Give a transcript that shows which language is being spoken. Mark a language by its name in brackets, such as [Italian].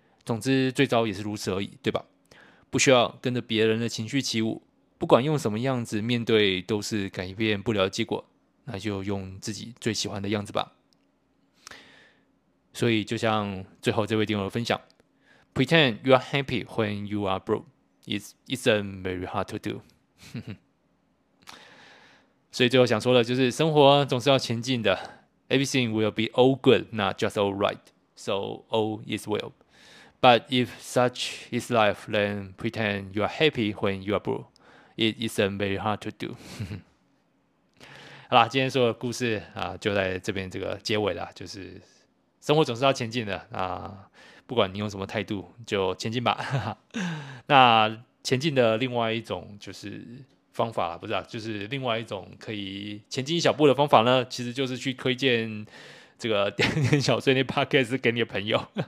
[Chinese] 总之，最糟也是如此而已，对吧？不需要跟着别人的情绪起舞，不管用什么样子面对，都是改变不了结果。那就用自己最喜欢的样子吧。所以，就像最后这位听友的分享。 [English] Pretend you are happy when you are broke. It isn't very hard to do. [Chinese] 所以最后想说的就是，生活总是要前进的。 [English] Everything will be all good, not just all right. So all is well. But if such is life, then pretend you are happy when you are broke. It isn't very hard to do. [Chinese] 好啦，今天说的故事啊，就在这边这个结尾啦，就是生活总是要前进的啊。不管你用什么态度，就前进吧。那前进的另外一种就是方法，不是啊，就是另外一种可以前进一小步的方法呢，其实就是去推荐这个点点小碎念 podcast 给你的朋友。